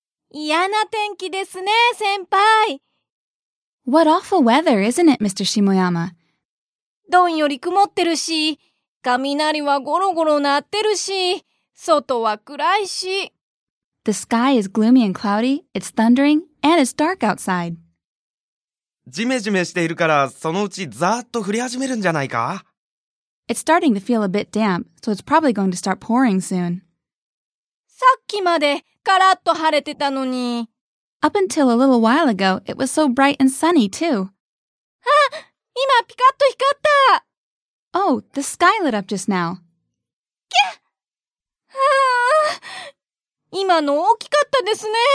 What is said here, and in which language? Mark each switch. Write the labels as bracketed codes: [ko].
[ja] 嫌な天気ですね、先輩。 [en] What awful weather, isn't it, Mr. Shimoyama? [ja] どんより曇ってるし、雷はゴロゴロ鳴ってるし、外は暗いし。 [en] The sky is gloomy and cloudy, it's thundering, and it's dark outside. [ja] ジメジメしているから、そのうちザーッと降り始めるんじゃないか？ [en] It's starting to feel a bit damp, so it's probably going to start pouring soon. [ja] さっきまでカラッと晴れてたのに。 [en] Up until a little while ago, it was so bright and sunny, too. [ja] あ、今ピカッと光った。 [en] Oh, the sky lit up just now. キャッ！ [ja] ああ、今の大きかったですね。